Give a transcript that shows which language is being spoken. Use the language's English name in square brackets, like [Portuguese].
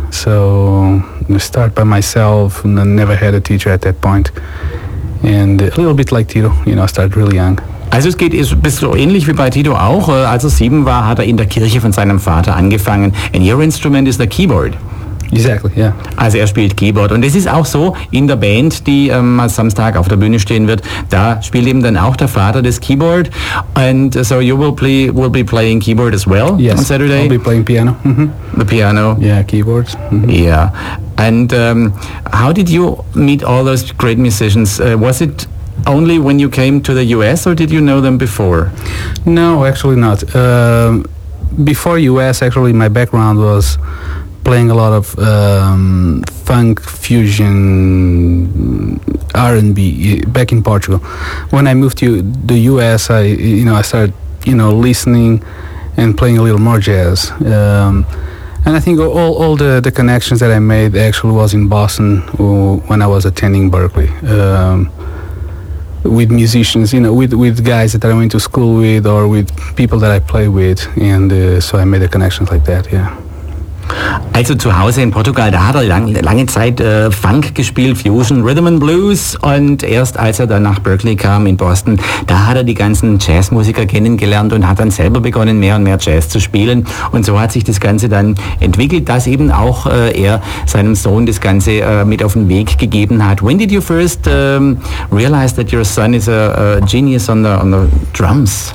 [English] So I start by myself, and I never had a teacher at that point. And a little bit like Tito, you know, I started really young. [German] Also es geht, bist du ähnlich wie bei Tito auch, als er 7 war, hat er in der Kirche von seinem Vater angefangen. [English] And your instrument is the keyboard. Exactly, yeah. [German] Also er spielt Keyboard. Und es ist auch so, in der Band, die am Samstag auf der Bühne stehen wird, da spielt eben dann auch der Vater das Keyboard. [English] And so you will be playing keyboard as well, yes, on Saturday? Yes, I'll be playing piano. Mm-hmm. The piano. Yeah, keyboards. Mm-hmm. Yeah. And how did you meet all those great musicians? Was it only when you came to the US, or did you know them before? No, actually not. Before US, actually, my background was playing a lot of funk, fusion, R&B back in Portugal. When I moved to the US, I started, you know, listening and playing a little more jazz. And I think all the connections that I made actually was in Boston when I was attending Berkeley. With musicians, you know, with guys that I went to school with or with people that I play with, and so I made a connection like that, yeah. [German] Also zu Hause in Portugal, da hat er lange Zeit Funk gespielt, Fusion, Rhythm and Blues, und erst als er dann nach Berkeley kam in Boston, da hat er die ganzen Jazzmusiker kennengelernt und hat dann selber begonnen, mehr und mehr Jazz zu spielen. Und so hat sich das Ganze dann entwickelt, dass eben auch er seinem Sohn das Ganze mit auf den Weg gegeben hat. [English] When did you first realize that your son is a genius on the drums?